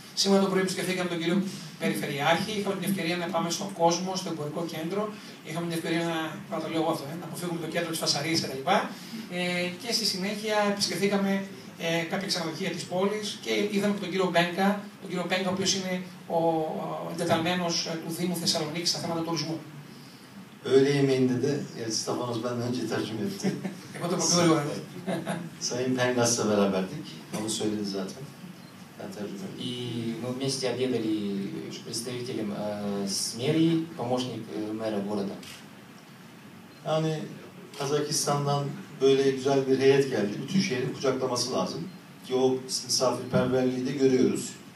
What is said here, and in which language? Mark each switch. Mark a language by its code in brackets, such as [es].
[el] Σήμερα το πρωί προσγειωθήκαμε τον κύριο Περιφερειάρχη, είχαμε την ευκαιρία να πάμε στον κόσμο, στο εμπορικό κέντρο, είχαμε την ευκαιρία να αποφύγουμε το κέντρο της Φασαρίας κτλ. Και στη συνέχεια επισκεφθήκαμε κάποια ξενοδοχεία της πόλης και είδαμε τον κύριο Μπέγκα, ο οποίος είναι ο εντεταλμένος του Δήμου Θεσσαλονίκης στα θέματα τουρισμού. [tr] Öğle yemeğinde de, yani Stefanos benden önce tercüme etti. [el] Εγώ το πω λίγο. [tr] Sayın Pengas'la beraberdik. Onu söyledi zaten. Ben tercüme [ru] И мы вместе обедали с представителем с мэрии, помощник мэра города. [tr] Yani Kazakistan'dan böyle güzel bir heyet geldi. Bütün şehri kucaklaması lazım. Ki o misafirperverliği de görüyoruz.